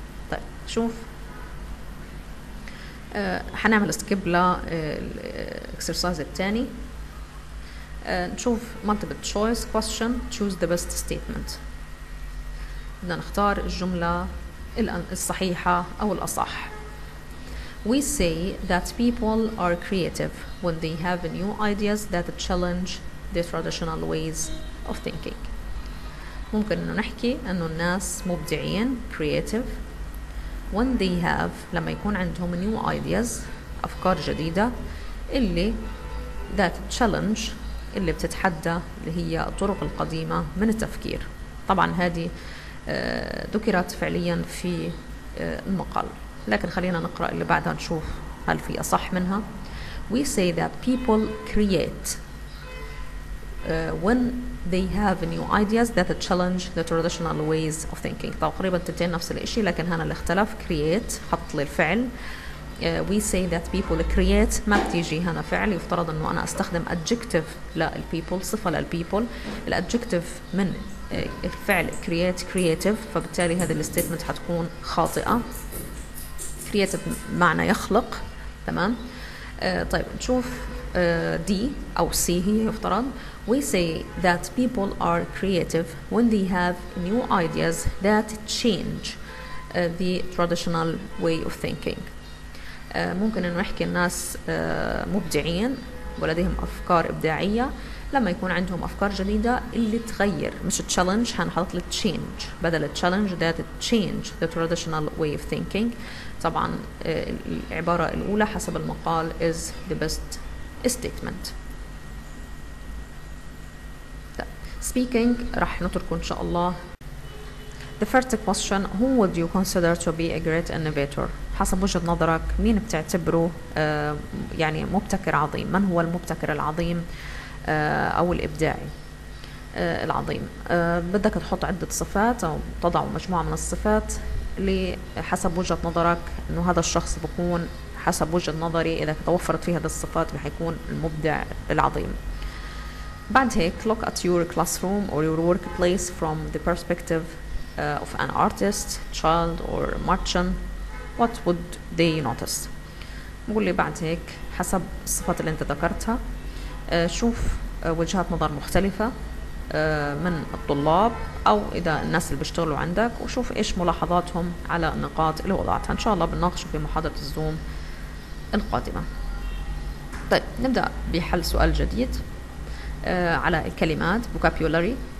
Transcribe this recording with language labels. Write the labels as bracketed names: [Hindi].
[Arabic] طيب شوف حنعمل سكيب للاكسرسايز الثاني. نشوف [English] multiple choice question, choose the best statement. [Arabic] بدنا نختار الجملة الصحيحة أو الأصح. [English] We say that people are creative when they have new ideas that challenge the traditional ways of thinking. [Arabic] ممكن إنه نحكي إنه الناس مبدعين [English] creative when they have [Arabic] لما يكون عندهم [English] new ideas [Arabic] أفكار جديدة اللي [English] that challenge [Arabic] اللي بتتحدى اللي هي الطرق القديمة من التفكير. طبعا هذه ذكرت فعليا في المقال، لكن خلينا نقرأ اللي بعدها نشوف هل في أصح منها. [English] We say that people create when they have new ideas that challenge the traditional ways of thinking. [Arabic] تقريبا تلتين نفس الاشي لكن هنا الاختلاف create حط للفعل. [English] We say that people create [Arabic] ما بتيجي هنا فعل. يفترض انه انا استخدم adjective للpeople صفة للpeople. الadjective من الفعل create creative فبالتالي هذه الستيتمنت حتكون خاطئة. creative معنى يخلق تمام. طيب نشوف دي أو سي هي يفترض. [English] We say that people are creative when they have new ideas that change the traditional way of thinking. [Arabic] ممكن أن نحكي الناس مبدعين ولديهم أفكار إبداعية لما يكون عندهم أفكار جديدة اللي تغير مش challenge هنحط لـ change بدل challenge [English] that change the traditional way of thinking. [Arabic] طبعا العبارة الأولى حسب المقال [English] is the best statement. [Arabic] Speaking رح نتركه إن شاء الله. [English] The first question, who would you consider to be a great innovator? [Arabic] حسب وجهة نظرك مين بتعتبره يعني مبتكر عظيم؟ من هو المبتكر العظيم أو الإبداعي العظيم؟ بدك تحط عدة صفات أو تضع مجموعة من الصفات لحسب وجهة نظرك إنه هذا الشخص بكون حسب وجهة نظري إذا توفرت فيه هذه الصفات بحيكون المبدع العظيم. بعد هيك [English] look at your classroom or your workplace from the perspective of an artist, child or merchant, what would they notice? [Arabic] بقول لي بعد هيك حسب الصفات اللي انت ذكرتها شوف وجهات نظر مختلفة من الطلاب او اذا الناس اللي بيشتغلوا عندك وشوف ايش ملاحظاتهم على النقاط اللي وضعتها. ان شاء الله بنناقشه في محاضرة الزوم القادمة. طيب نبدأ بحل سؤال جديد على الكلمات vocabulary.